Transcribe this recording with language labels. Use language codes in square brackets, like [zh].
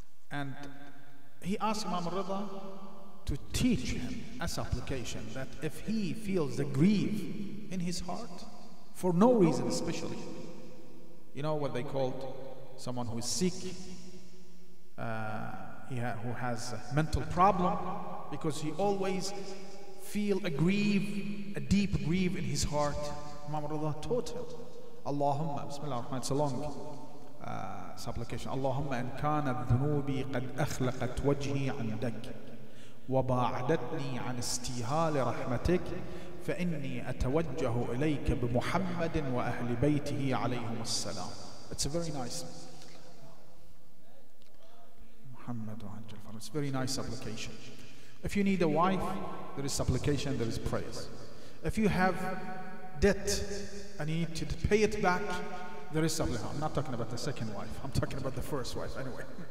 [en] And he asked Imam al-Ridha to teach him a supplication, that if he feels the grief in his heart, for no reason especially, you know what they called someone who is sick, who has a mental problem, because he always feel a grief, a deep grief in his heart. Imam al-Ridha taught him, [ar] Allahumma, bismillah, [en] it's a long supplication. [ar] Allahumma, in kana dhunubi qad akhlaqat wajhi andak, وباعدتني عن استيهال رحمتك فإني أتوجه إليك بمحمد وأهل بيته عليهم السلام. [en] It's a very nice محمد وعن جل فرم. It's a very nice supplication. If you need a wife, there is supplication, there is prayers. If you have debt and you need to pay it back, there is supplication. I'm not talking about the second wife, I'm talking about the first wife anyway.